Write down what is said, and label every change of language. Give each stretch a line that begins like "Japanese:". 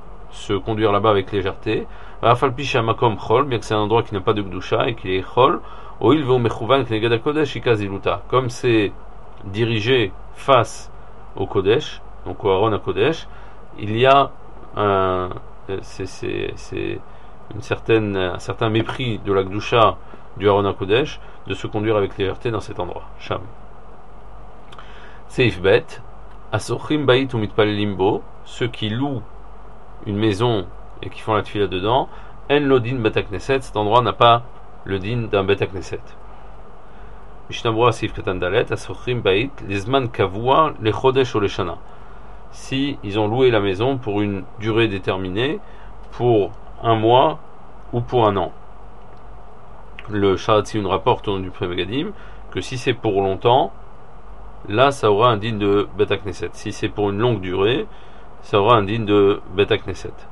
French: se conduire là-bas avec légèreté,
Hebrew: Afalpi chez Amakom Chol,
French: bien que c'est un endroit qui n'a pas de Gdusha et qui est Chol,
Hebrew: Oil Veu Mechouvan Kneged Akodesh Ikaziluta,
French: comme c'est dirigé face au Kodesh, donc au Aaron HaKodesh, il y a un certain mépris de la Gdusha du Aaron HaKodesh de se conduire avec légèreté dans cet endroit. Sham. סעיף ב',
Hebrew: השוכרים בית ומתפללים בו,
French: ceux qui louent une maison et qui font la tefila dedans,
Hebrew: אין לו דין בית הכנסת,
French: cet endroit n'a pas le din d'un בית הכנסת.
Hebrew: משנה ברורה, סעיף קטן ד', השוכרים בית לזמן קבוע לחודש או לשנה.
French: Si ils ont loué la maison pour une durée déterminée, pour un mois ou pour un an. Le Shahatsiun rapporte au nom du premier Gadim que si c'est pour longtemps, là ça aura un din de Beta Knesset. Si c'est pour une longue durée, ça aura un din de Beta Knesset.